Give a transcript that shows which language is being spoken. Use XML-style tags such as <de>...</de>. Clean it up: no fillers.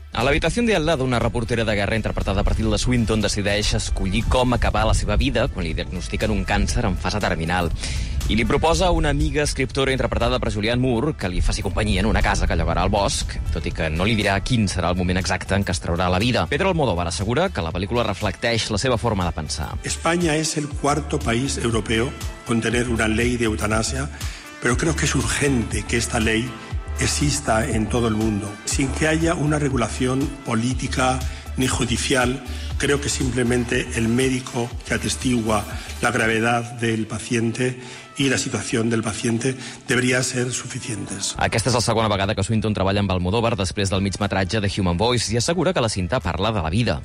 <ca>A l'habitació de al lado, una reportera de guerra interpretada per Tilda Swinton decideix escollir com acabar la seva vida quan li diagnostiquen un càncer en fase terminal. I li proposa una amiga escriptora interpretada per Julianne Moore que li faci companyia en una casa que llogarà al bosc, tot i que no li dirà quin serà el moment exacte en què es traurà la vida. Pedro Almodóvar assegura que la pel·lícula reflecteix la seva forma de pensar.</ca> <es>España es el cuarto país europeo con tener una ley de eutanasia, pero creo que es urgente que esta ley exista en todo el mundo. Sin que haya una regulación política ni judicial, creo que simplemente el médico que atestigua la gravedad del paciente y la situación del paciente debería ser suficientes.</es> <ca>Aquesta és la segona vegada que Swinton treballa amb Almodóvar després del migmetratge de Human Voice i assegura que la cinta parla de la vida.</ca>